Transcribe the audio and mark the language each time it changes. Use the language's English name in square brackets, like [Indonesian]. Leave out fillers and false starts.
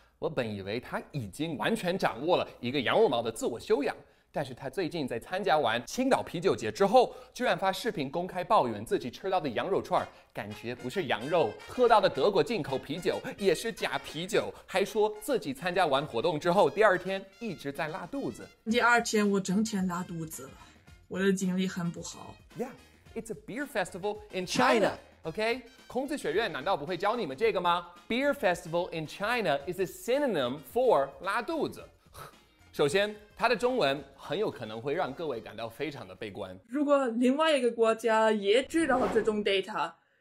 [Chinese] 我本以为她已经完全掌握了一个洋五毛的自我修养，但是她最近在参加完青岛啤酒节之后，居然发视频公开抱怨自己吃到的羊肉串感觉不是羊肉，喝到的德国进口啤酒也是假啤酒，还说自己参加完活动之后第二天一直在拉肚子。第二天我整天拉肚子，我的精力很不好。 [English] Yeah, it's a beer festival in China, OK? [Chinese] 孔子学院难道不会教你们这个吗？ [English] Beer festival in China is a synonym for [Chinese] 拉肚子。首先它的中文很有可能会让各位感到非常的悲观。如果另外一个国家也知道这种 data，